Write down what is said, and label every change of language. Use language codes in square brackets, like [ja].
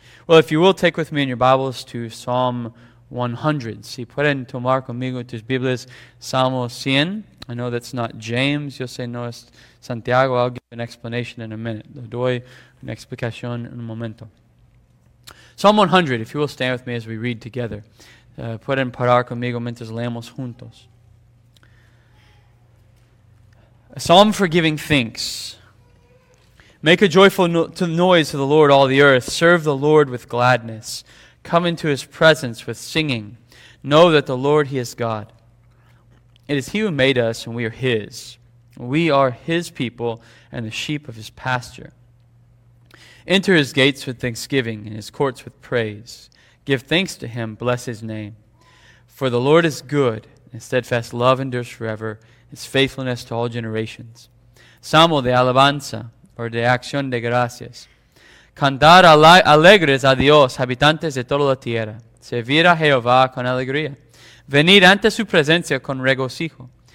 [en] Well, if you will, take with me in your Bibles to Psalm 100. [es] Si pueden tomar conmigo tus Biblias, Salmo 100. [en] I know that's not James. [es] Yo sé no es Santiago. [en] I'll give an explanation in a minute. [es] Le doy una explicación en un momento. [en] Psalm 100, if you will stand with me as we read together. [es] Pueden parar conmigo mientras leemos juntos. [en] A psalm for giving thanks. Make a joyful noise to the Lord, all the earth. Serve the Lord with gladness. Come into his presence with singing. Know that the Lord, he is God. It is he who made us, and we are his. We are his people and the sheep of his pasture. Enter his gates with thanksgiving and his courts with praise. Give thanks to him. Bless his name. For the Lord is good, and steadfast love endures forever, his faithfulness to all generations. [es] Salmo de alabanza, or de acción de gracias. Cantar alegres a Dios, habitantes de toda la tierra. Servir a Jehová con alegría. Venir ante su presencia con regocijo.